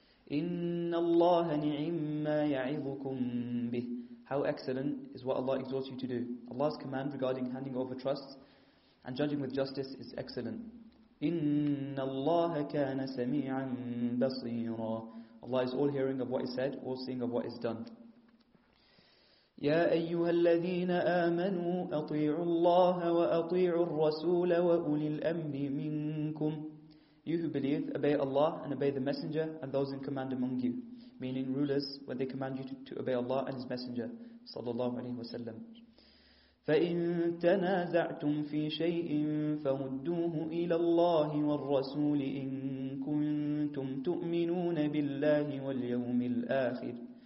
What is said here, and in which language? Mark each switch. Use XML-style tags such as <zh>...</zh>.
<ar>إِنَّ اللَّهَ نِعِمَّا يَعِظُكُمْ بِهِ.</ar> <en>How excellent is what Allah exhorts you to do. Allah's command regarding handing over trusts and judging with justice is excellent.</en> <ar>إِنَّ اللَّهَ كَانَ سَمِيعًا بَصِيرًا.</ar> <en>Allah is all hearing of what is said, all seeing of what is done.</en> <ar>يا أيها الذين آمنوا أطيعوا الله وأطيعوا الرسول وأولي الأمر منكم.</ar> <en>You who believe, obey Allah and obey the Messenger and those in command among you, meaning rulers, when they command you to obey Allah and His Messenger, sallallahu alaihi wasallam.</en> <ar>فَإِن تَنَازَعْتُمْ فِي شَيْءٍ فَرُدُّوهُ إِلَى اللَّهِ وَالرَّسُولِ إِن كُنتُمْ تُؤْمِنُونَ بِاللَّهِ وَالْيَوْمِ الْآخِرِ.</ar>